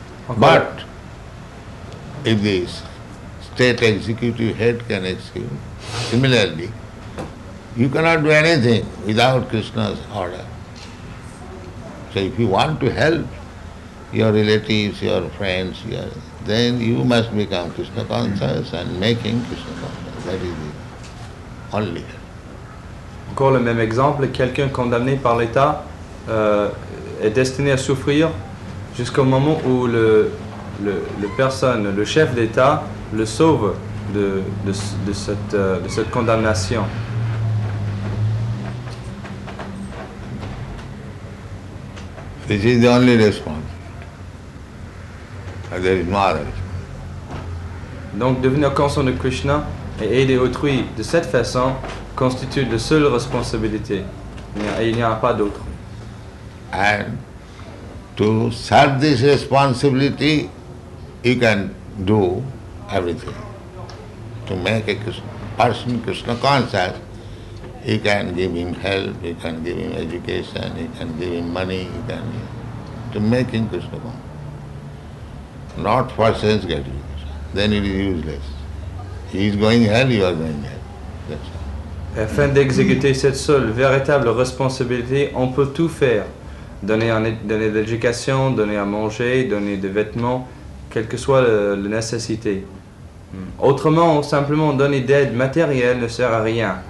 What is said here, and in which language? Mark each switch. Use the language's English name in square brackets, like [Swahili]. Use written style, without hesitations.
[English] Okay. But if the state executive head can execute, similarly, you cannot do anything without Krishna's order. So if you want to help your relatives, your friends, then you must become Krishna conscious and making Krishna conscious. That is the only help. [French] Encore le même exemple, quelqu'un condamné par l'État est destiné à souffrir jusqu'au moment où le chef d'État le sauve de cette condamnation. [English] This is the only response. There is no other response. [French] Donc devenir conscient de Krishna et aider autrui de cette façon constitue la seule responsabilité. Il n'y en a pas d'autre. [English] And to serve this responsibility, you can do everything. To make a person Krishna conscious, He can give him help, he can give him education, he can give him money, he can to make him Krishna conscious. Not for sense gratification. Then it is useless. He is going hell, you are going hell. That's all. [French] Afin d'exécuter cette seule véritable responsabilité, on peut tout faire. Donner de l'éducation, donner à manger, donner des vêtements, quelle que soit la nécessité. Autrement, simplement donner d'aide matérielle ne sert à rien.